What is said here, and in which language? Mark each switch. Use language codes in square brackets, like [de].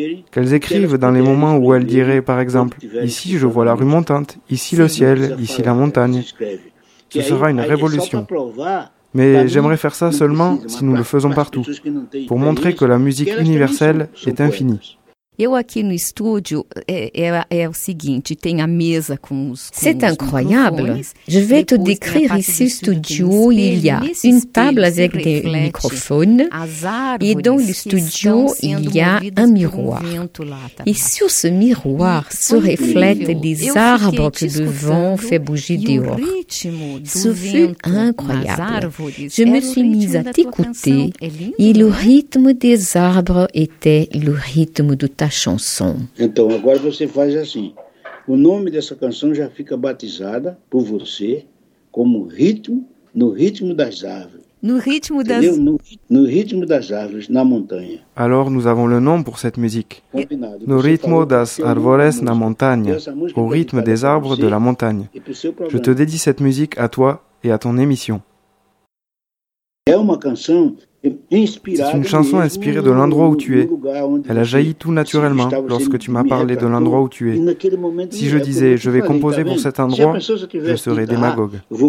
[fr] Qu'elles écrivent dans les moments où elles diraient, par exemple, « Ici, je vois la rue montante, ici le ciel, ici la montagne. » Ce sera une révolution. Mais j'aimerais faire ça seulement si nous le faisons partout, pour montrer que la musique universelle est infinie. [pt] Eu aqui no estúdio é o seguinte, tem a mesa com os microfones. [fr] C'est incroyable. Je vais te décrire ici le studio, il y a une table avec des microphones et dans le studio il y a un miroir. Et sur ce miroir se reflètent des arbres que le vent fait bouger dehors. Ce fut incroyable. Je me suis mise à t'écouter et le rythme des arbres était le rythme de ta chanson. [pt] Então agora você faz assim. O nome dessa canção já fica batizada por você como ritmo no ritmo das árvores. No ritmo das No ritmo das árvores na montanha. [fr] Alors nous avons le nom pour cette musique. [pt] Combinado. No ritmo das árvores na montanha. [fr] Au rythme des arbres de la montagne. Je te dédie cette musique à toi et à ton émission. [pt] É uma canção. [fr] C'est une chanson inspirée de l'endroit où tu es. Elle a jailli tout naturellement lorsque tu m'as parlé de l'endroit où tu es. Si je disais « je vais composer pour cet endroit », je serais démagogue.